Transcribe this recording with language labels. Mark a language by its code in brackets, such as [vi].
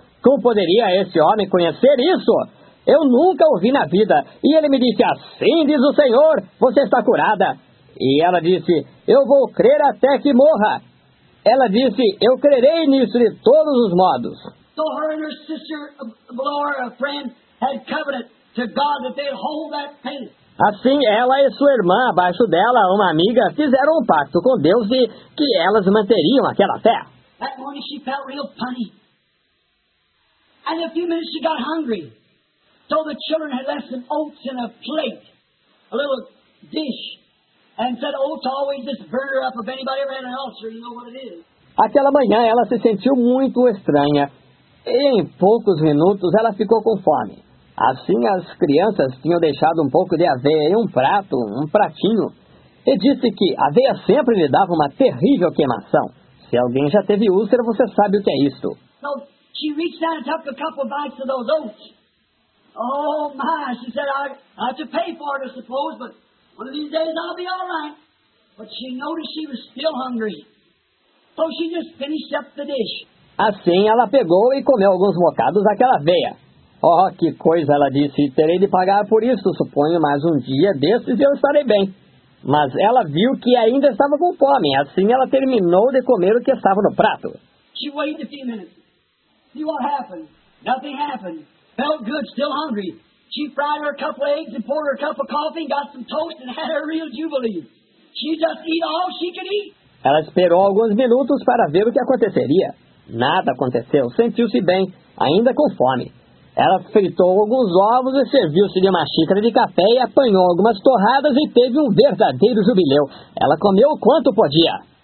[pt] Como poderia esse homem conhecer isso? Eu nunca o vi na vida. E ele me disse, assim diz o Senhor, você está curada. E ela disse, eu vou crer até que morra. Ela disse, eu crerei nisso de todos os modos. [en] So her and her sister, Laura, a friend, had covenant to God that they'd hold that pain. [pt] Assim, ela e sua irmã, abaixo dela, uma amiga, fizeram um pacto com Deus de que elas manteriam aquela fé. [en] That morning she felt real funny. And in a few minutes she got hungry. So the children had left some oats in a plate, a little dish, and said, oats always just burn her up. If anybody ever had an ulcer, you know what it is. [pt] Aquela manhã ela se sentiu muito estranha. E em poucos minutos ela ficou com fome. Assim, as crianças tinham deixado um pouco de aveia em um prato, um pratinho, e disse que aveia sempre lhe dava uma terrível queimação. Se alguém já teve úlcera, você sabe o que é isto. [en] So, she reached out and took a couple of bites of those oats. Oh, my, she said, I have to pay for it, I suppose, but one of these days I'll be all right. But she noticed she was still hungry. So, she just finished up the dish. [pt] Assim, ela pegou e comeu alguns bocados daquela aveia. Oh, que coisa, ela disse, terei de pagar por isso, suponho, mas um dia desses eu estarei bem. Mas ela viu que ainda estava com fome, assim ela terminou de comer o que estava no prato. [en] She waited a few minutes. See what happened. Nothing happened. felt good, still hungry. She fried her a couple of eggs and poured her a cup of coffee and got some toast and had her real jubilee. She just ate all she could eat. [pt] Ela esperou alguns minutos para ver o que aconteceria. Nada aconteceu. Sentiu-se bem, ainda com fome. Ela fritou alguns ovos e serviu-se de uma xícara de café e apanhou algumas torradas e teve um verdadeiro jubileu. Ela comeu o quanto podia.